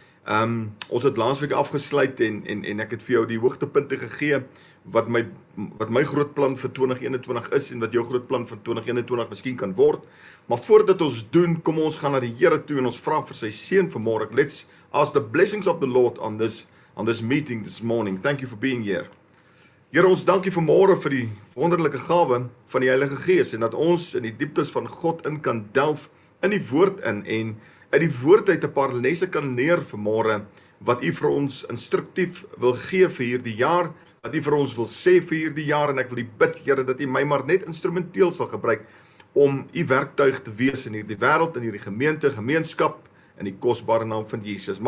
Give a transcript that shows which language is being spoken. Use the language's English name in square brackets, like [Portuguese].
[Afrikaans] Ons het laatst week afgesluit en ek het vir jou die hoogtepunte gegee wat my groot plan vir 2021 is en wat jou groot plan vir 2021 miskien kan word. Maar voordat ons doen, kom ons gaan na die Here toe en ons vraag vir sy seën vanmôre. [English] Let's ask the blessings of the Lord on this meeting this morning. Thank you for being here. [Afrikaans] Here ons dankie vanmôre vir die wonderlike gawe van die Heilige Gees en dat ons in die dieptes van God in kan delf in die woord in en uit die woord uit 'n paar lesse kan leer vanmôre wat u vir ons instruktief wil gee vir hierdie jaar, wat u vir ons wil sê vir hierdie jaar en ek wil u bid Here dat u my maar net instrumenteel sal gebruik om u werktuig te wees in hierdie wêreld en hierdie gemeenskap in die kosbare naam van Jesus.